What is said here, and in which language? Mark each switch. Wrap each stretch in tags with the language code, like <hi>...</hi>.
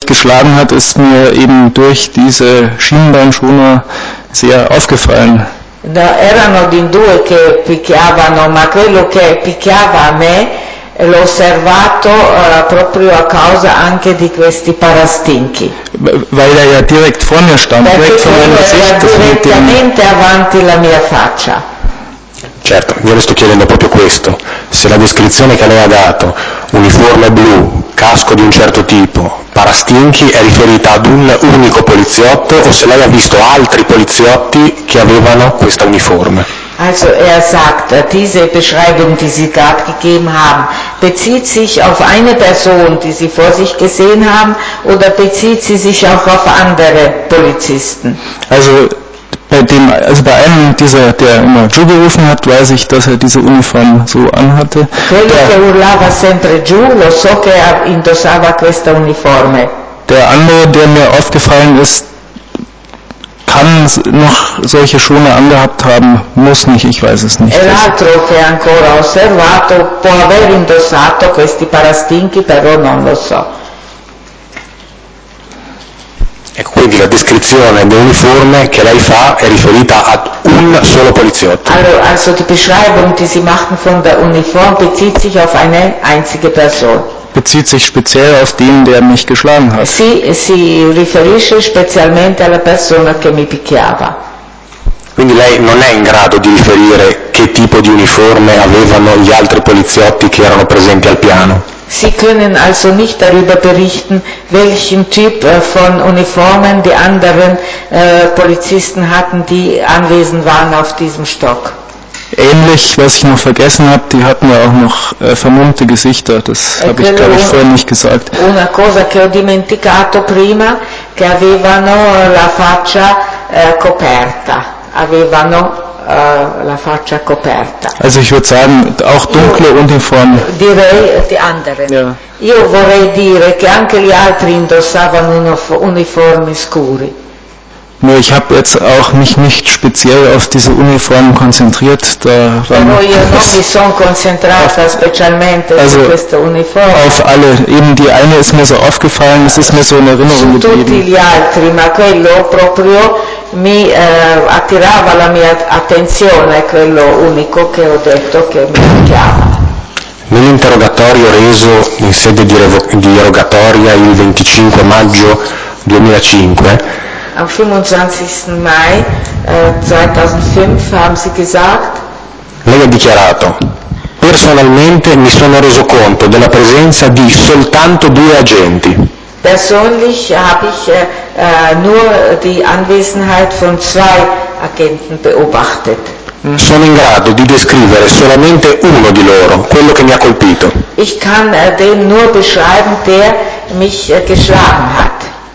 <de>geschlagen hat, ist mir eben durch diese Schienbeinschoner sehr aufgefallen.</de> <it>No, erano di due che picchiavano, ma quello che picchiava a me l'ho osservato proprio a causa anche di questi parastinchi.</it> <de>Weil er ja direkt vor mir stand, direkt vor meiner Sicht,</de> <it>direttamente avanti la mia faccia. Certo, io le sto chiedendo proprio questo. Se la descrizione che lei ha dato, uniforme blu, casco di un certo tipo, parastinchi, è riferita ad un unico poliziotto o se lei ha visto altri poliziotti che avevano questa uniforme?</it> <de>Also sagt, diese Beschreibung, die Sie gerade gegeben haben, bezieht sich auf eine Person, die Sie vor sich gesehen haben, oder bezieht sie sich auch auf andere Polizisten? Also bei einem dieser, der immer Giù gerufen hat, weiß ich, dass er diese Uniform so anhatte.</de> <it>Quello che urlava sempre giù, lo so che indossava questa uniforme.</it> <de>Der andere, der mir aufgefallen ist, kann noch solche Schoner angehabt haben, muss nicht, ich weiß es nicht.</de> <it>L'altro che ancora osservato può aver indossato questi parastinchi, però non lo so. E quindi la descrizione dell'uniforme che lei fa è riferita ad un solo poliziotto.</it> <de>Also die Beschreibung, die Sie machen von der Uniform, bezieht sich auf eine einzige Person. Bezieht sich speziell auf den, der mich geschlagen hat.</de> <it>Si riferisce specialmente alla persona che mi picchiava. Quindi lei non è in grado di riferire che tipo di uniforme avevano gli altri poliziotti che erano presenti al piano.</it> <de>Sie können also nicht darüber berichten, welchen Typ von Uniformen die anderen Polizisten hatten, die anwesend waren auf diesem Stock. Ähnlich, was ich noch vergessen habe, die hatten ja auch noch vermummte Gesichter, das habe ich glaube ich vorher nicht gesagt.</de> <it>Una cosa che ho dimenticato prima, che avevano la faccia coperta, avevano la faccia coperta.</it> <de>Also ich würde sagen, auch dunkle Uniformen.</de> <it>Direi</it> <de>die anderen. Ja.</de> <it>Io vorrei dire che anche gli altri indossavano uniformi scuri.</it> <de>Nur ich habe jetzt auch mich nicht speziell auf diese Uniformen konzentriert. Da</de> <it>Però io non mi sono concentrata specialmente</it> <de>also</de> <it>su questa uniforme.</it> <de>Auf alle, eben die eine ist mir so aufgefallen, es ist mir so in Erinnerung geblieben.</de> <it>Tutti gli altri, ma quello proprio mi attirava la mia attenzione, quello unico che ho detto che mi chiama. Nell'interrogatorio reso in sede di rogatoria il 25 maggio 2005.</it> <de>Am 25. Mai 2005 haben Sie gesagt.</de> <it>Lei ha dichiarato: personalmente mi sono reso conto della presenza di soltanto due agenti.</it> <de>Persönlich habe ich nur die Anwesenheit von zwei Agenten beobachtet.</de> <it>Sono in grado di descrivere solamente uno di loro, quello che mi ha colpito.</it> <de>Ich kann den nur beschreiben, der mich geschlagen hat.</de>